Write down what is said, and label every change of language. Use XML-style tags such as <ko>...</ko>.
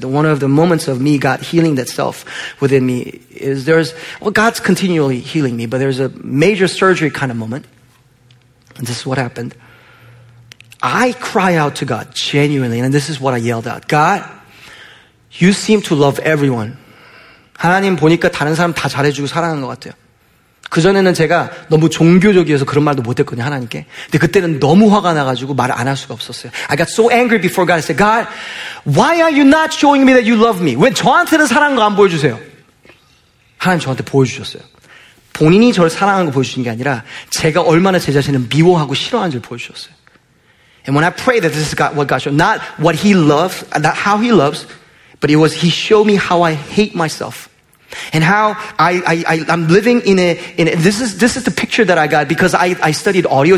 <en>One of the moments of me got healing that self within me is there's, well, God's continually healing me, but there's a major surgery kind of moment. And this is what happened. I cry out to God genuinely, and this is what I yelled out. God, you seem to love everyone.</en> <ko>하나님 보니까 다른 사람 다 잘해주고 사랑하는 것 같아요. 그전에는 제가 너무 종교적이어서 그런 말도 못했거든요, 하나님께. 근데 그때는 너무 화가 나가지고 말 안 할 수가 없었어요.</ko> <en>I got so angry before God. I said, God, why are you not showing me that you love me?</en> <ko>왜 저한테는 사랑한 거 안 보여주세요? 하나님 저한테 보여주셨어요. 본인이 저를 사랑하는 거 보여주신 게 아니라 제가 얼마나 제 자신을 미워하고 싫어하는지를 보여주셨어요.</ko> <en>And when I pray that this is God, what God showed, not what he loves, not how he loves, but it was he showed me how I hate myself. And how I'm living this is the picture that I got because I studied audio.</en>